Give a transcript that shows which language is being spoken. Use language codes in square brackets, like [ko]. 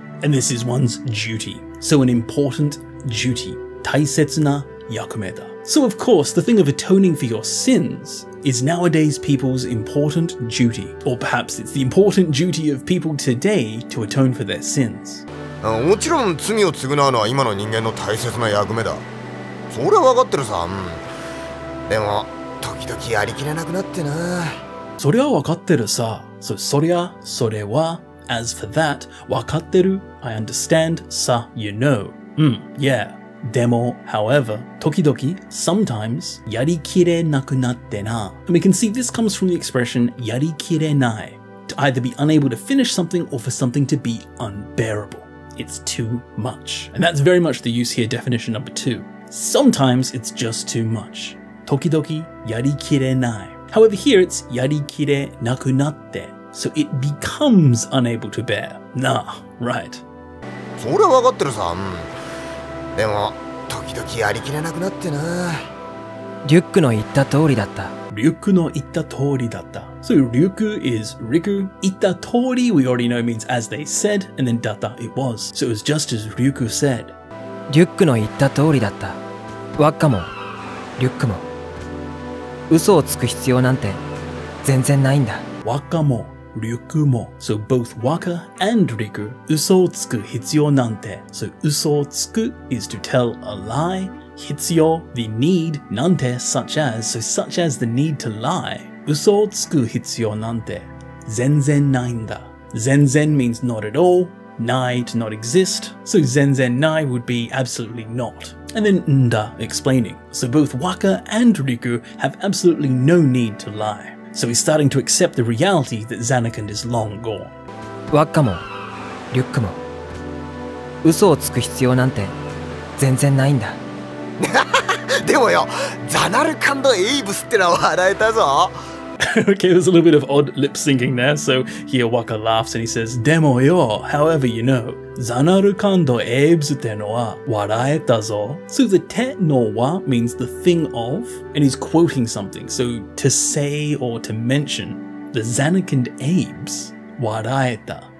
[en] And this is one's duty. So an important duty. [ja] 大切な役目だ. [en] So of course, the thing of atoning for your sins is nowadays people's important duty. Or perhaps it's the important duty of people today to atone for their sins. [ja] もちろん罪を償うのは今の人間の大切な役目だ。それは分かってるさ。でも時々やりきれなくなってな。それは分かってるさ。 [en] So, [ja] それはそれは [en] as for that [ja] 分かってる [en] I understand [ja] さ [en] you know yeah [ja] でも [en] however [ja] 時々 [en] sometimes [ja] やりきれなくなってな。 [en] And we can see this comes from the expression [ja] やりきれない [en] to either be unable to finish something or for something to be unbearableIt's too much. And that's very much the use here, definition number two. Sometimes it's just too much. [ja] 時々やりきれない。 [en] However, here it's [ja] やりきれなくなって。 [en] So it becomes unable to bear. Nah, right. [ja] それは分かってるさ。でも、時々やりきれなくなってな。リュックの言った通りだった。リュックの言った通りだった。 [en] So, リュック is Riku. [ja] 言った通り [en] we already know means as they said, and then [ja] だった [en] it was. So it was just as リュック said. [ja] リュックの言った通りだった。ワッカも、リュックも。嘘をつく必要なんて全然ないんだ。ワッカも、リュックも。 [en] So both Wakka and Riku, [ja] 嘘をつく必要なんて。 [en] So [ja] 嘘をつく [en] is to tell a lie. [ja] 必要 [en] the need, [ja] なんて [en] such as, so such as the need to lie. [ja] 嘘をつく必要なんて全然ないんだ。全然 [en] means not at all, [ja] ない [en] to not exist, so [ja] 全然ない [en] would be absolutely not. And then [ja] んだ [en] explaining. So both Wakka and Riku have absolutely no need to lie. So he's starting to accept the reality that Zanakand is long gone. [ja] Wakka も、リュックも、嘘をつく必要なんて全然ないんだ。でもよ、ザナルカンドエイブスってのは笑えたぞ。 [en] Okay, there's a little bit of odd lip syncing there. So here Wakka laughs and he says, [ja] でもよ、 [en] however you know, [ja] ザナルカンドエイブスってのは笑えたぞ。 [en] So the [ja] てのは [en] means the thing of, and he's quoting something. So to say or to mention, the Zanakand Abes [ja] 笑えた。